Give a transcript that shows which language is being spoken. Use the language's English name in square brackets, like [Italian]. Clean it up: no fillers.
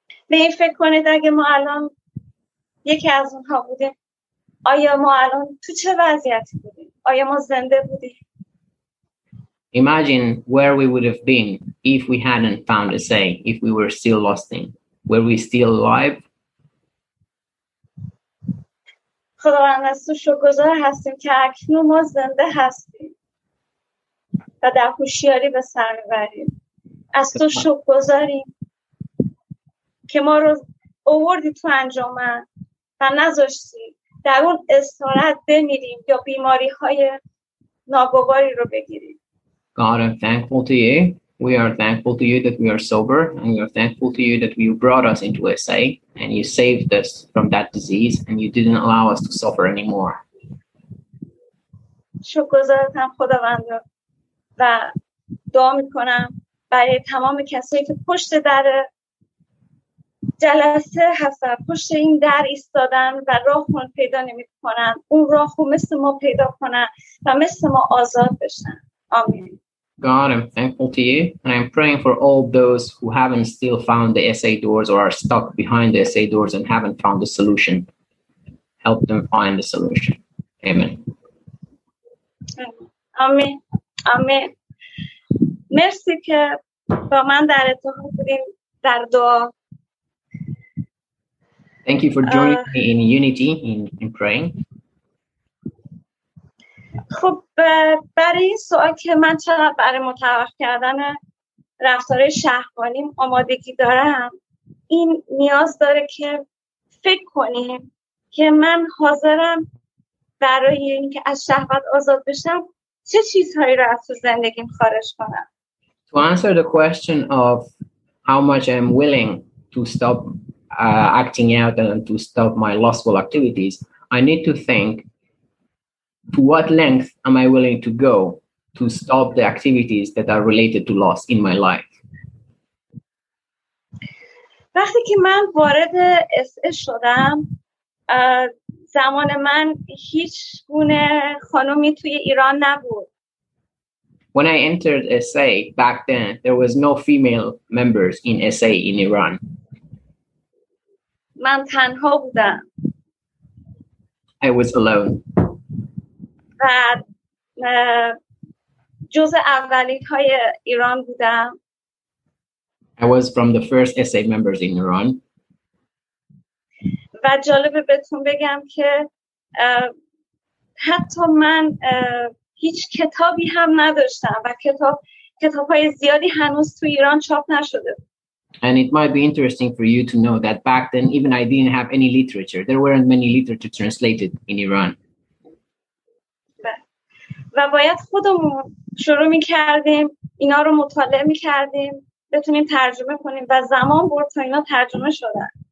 [Persian] به این فکر کنید اگه ما الان یکی از اونها بودیم، آیا ما الان تو چه وضعیتی بودیم؟ آیا ما زنده بودیم؟ [English] Imagine where we would have been if we hadn't found a say, if we were still lost in. Were we still alive? [Persian] خداوند از تو شکرگزار هستیم که اکنون ما زنده هستیم و در هوشیاری به سر میبریم. از تو شکرگزاریم که ما رو آوردی تو انجمن و نذاشتی در اون اسارت بمیریم یا بیماری های ناگواری رو بگیریم. [English] God, I'm thankful to you. We are thankful to you that we are sober, and we are thankful to you that you brought us into SA and you saved us from that disease and you didn't allow us to suffer anymore. [Persian] شکرگزارم خداوند و دعا میکنم برای تمام کسایی که پشت در جلسه هستن، پشت این در ایستادن و راهون پیدا نمیکنن، اون راهو مثل ما پیدا کنن و مثل ما آزاد بشن. آمین. [English] God, I'm thankful to you, and I'm praying for all those who haven't still found the SA doors or are stuck behind the SA doors and haven't found the solution. Help them find the solution. Amen. Amen. Amen. [Persian] Merci که با من در اتحاد بودیم در دعا. [English] Thank you for joining me in unity in praying. [Persian] خب برای این سوال که من چقدر برای متوقف کردن رفتار شهوانیم آمادگی دارم، این نیاز داره که فکر کنیم که من حاضرم برای اینکه از شهوت آزاد بشم چه چیزهایی را از زندگیم خارج کنم. [English] To answer the question of how much I'm willing to stop acting out and to stop my lustful activities, I need to think, to what length am I willing to go to stop the activities that are related to loss in my life? [Persian] وقتی که من وارد SA شدم، زمان من هیچ گونه خانومی توی ایران نبود. [English] When I entered SA back then, there was no female members in SA in Iran. [Persian] من تنها بودم. [English] I was alone. [Persian] و جزء اولین های ایران بودم. [English] I was from the first SA members in Iran. [Persian] و جالبه بهتون بگم که حتی من هیچ کتابی هم نداشتم و کتاب های زیادی هنوز تو ایران چاپ نشده. [English] And it might be interesting for you to know that back then even I didn't have any literature. There weren't many literature translated in Iran. [Persian] و باید خودمون شروع می کردیم اینا رو مطالعه می کردیم بتونیم ترجمه کنیم و زمان برد تا اینا ترجمه شدن.